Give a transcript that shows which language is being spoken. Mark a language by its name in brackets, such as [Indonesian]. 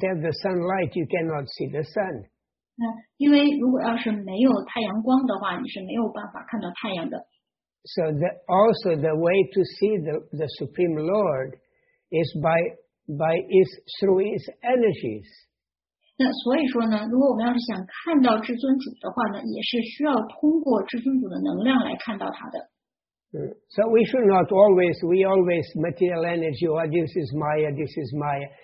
[English] have the sunlight, you cannot see the sun. [Chinese] 因为如果要是没有太阳光的话，你是没有办法看到太阳的。 [English] So that also the way to see the Supreme Lord is through his energies. [Chinese] 那所以说呢, 如果我们要是想看到至尊主的话呢, 也是需要通过至尊主的能量来看到他的。 [English] So we should not always, we always material energy, oh, this is Maya, this is Maya.